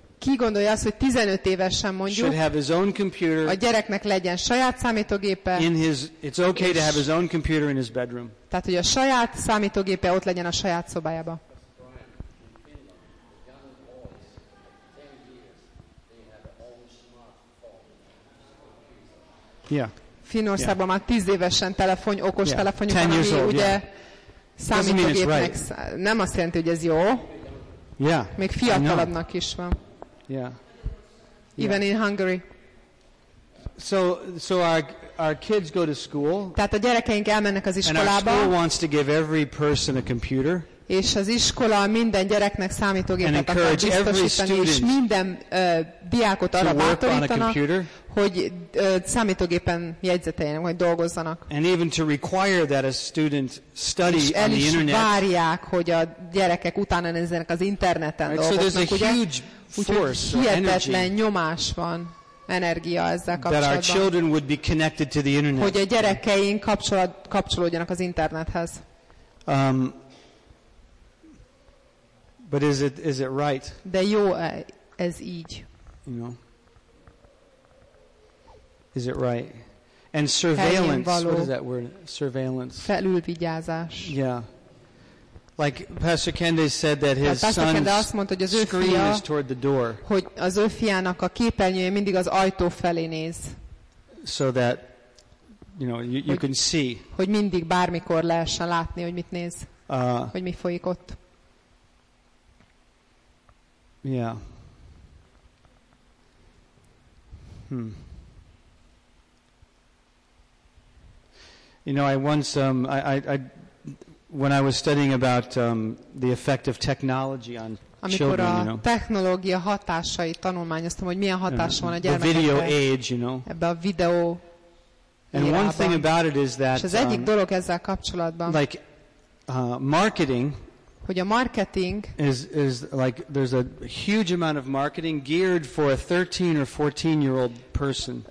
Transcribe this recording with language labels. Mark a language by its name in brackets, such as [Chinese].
[Hungarian] Ki gondolja azt, hogy 15 évesen mondjuk? [English] Should have his own computer. [Hungarian] A gyereknek legyen saját számítógépe. [English] It's okay to have his own computer in his bedroom. [Hungarian] Tehát, hogy a saját számítógépe ott legyen a saját szobájába. Finországban már 10 évesen telefon, okos telefonjuk van, ami ugye számítógépnek, nem azt jelenti, hogy ez jó. [English] Yeah. [Hungarian] Még fiatalabbnak is van. [English] Yeah. Even in Hungary. So our kids go to school. [Hungarian] Tehát a gyerekeink elmennek az iskolába. [English] And our school wants to give every person a computer. [Hungarian] És az iskola minden gyereknek számítógépet [English] and [Hungarian] akar biztosítani, és minden diákot arra bátorítanak, hogy számítógépen jegyzeteljenek, hogy dolgozzanak. [English] And even to require that a student study [Hungarian] és el is [English] on the internet. [Hungarian] Várják, hogy a gyerekek utána nézzenek az interneten dolgoznak, ugye? Úgyhogy hihetetlen nyomás van, energia ezzel kapcsolatban. [English] That our children would be connected to the internet. [Hungarian] Hogy a gyerekeink kapcsolódjanak az internethez. [English] But is it right? [Hungarian] De jó ez így. [English] You know. Is it right? And surveillance. What is that word? Surveillance. [Hungarian] Felülvigyázás. [English] Yeah. Like Pastor Kende said that his son's screen is toward the door. [Hungarian] Hogy az ő fiának a képernyője mindig az ajtó felé néz. [English] So that you know you can see. [Hungarian] Hogy mindig bármikor lehessen látni, hogy mit néz. Hogy mi folyik ott. [English] Yeah. You know, I once I when I was studying about the effect of technology on [Hungarian] amikor [English] children, you know. [Hungarian] Amikor a technológia hatásait tanulmányoztam, hogy milyen hatása van a gyermekekre. [English] The video age, you know. [Hungarian] Ebbe a videó. [English] And one thing about it is that [Hungarian] az egyik dolog ezzel kapcsolatban. [English] Like marketing. [Hungarian] Hogy a marketing [English] is like there's a huge amount of marketing geared for a 13 or 14 year old person.